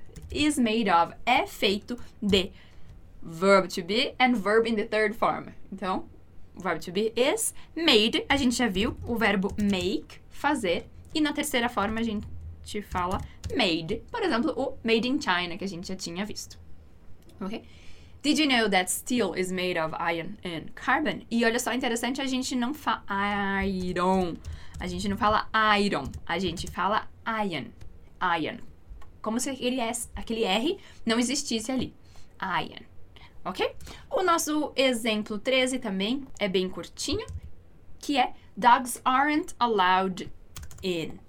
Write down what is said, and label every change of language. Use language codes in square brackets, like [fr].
[en] Is made of, [pt] é feito de, [en] verb to be and verb in the third form. [pt] Então, verb to be is made, a gente já viu o verbo make, fazer, e na terceira forma a gente fala made, por exemplo, o made in China, que a gente já tinha visto, ok? [en] Did you know that steel is made of iron and carbon? [pt] E olha só, interessante, a gente não fala iron. A gente não fala iron. A gente fala iron. Iron. Como se aquele R não existisse ali. Iron. Ok? O nosso exemplo 13 também é bem curtinho, que é: [en] dogs aren't allowed in.